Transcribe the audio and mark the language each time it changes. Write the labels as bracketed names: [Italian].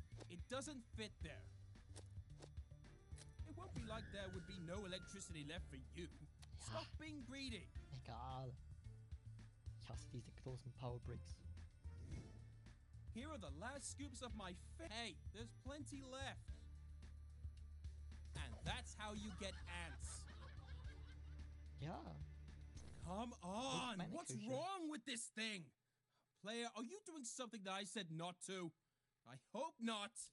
[English] It doesn't fit there. It won't be like there would be no electricity left for you. [German] Ja. [English] Stop being greedy. [German] Egal. Ich hasse diese großen Power Bricks. [English] Here are the last scoops of my Hey, there's plenty left. And that's how you get ants. [German] Ja. [English] Come on, what's wrong with this thing? Player, are you doing something that I said not to? I hope not.